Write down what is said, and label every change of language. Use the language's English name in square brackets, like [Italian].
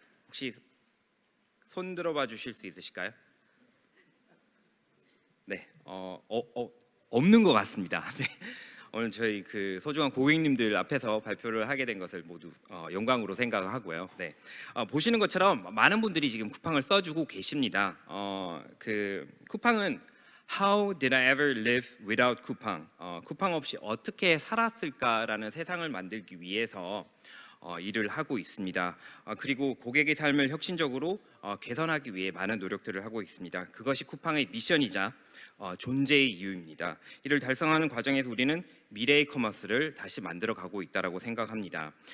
[Korean] 혹시 손 들어봐 주실 수 있으실까요? 네, 없는 것 같습니다. 네. 오늘 저희 그 소중한 고객님들 앞에서 발표를 하게 된 것을 모두 영광으로 생각하고요. 네, 보시는 것처럼 많은 분들이 지금 쿠팡을 써주고 계십니다. 그 쿠팡은 [English] How did I ever live without Coupang? [Korean] 쿠팡 없이 어떻게 살았을까라는 세상을 만들기 위해서 일을 하고 있습니다. 그리고 고객의 삶을 혁신적으로 개선하기 위해 많은 노력들을 하고 있습니다. 그것이 쿠팡의 미션이자 존재의 이유입니다. 이를 달성하는 과정에서 우리는 미래의 커머스를 다시 만들어가고 있다고 생각합니다.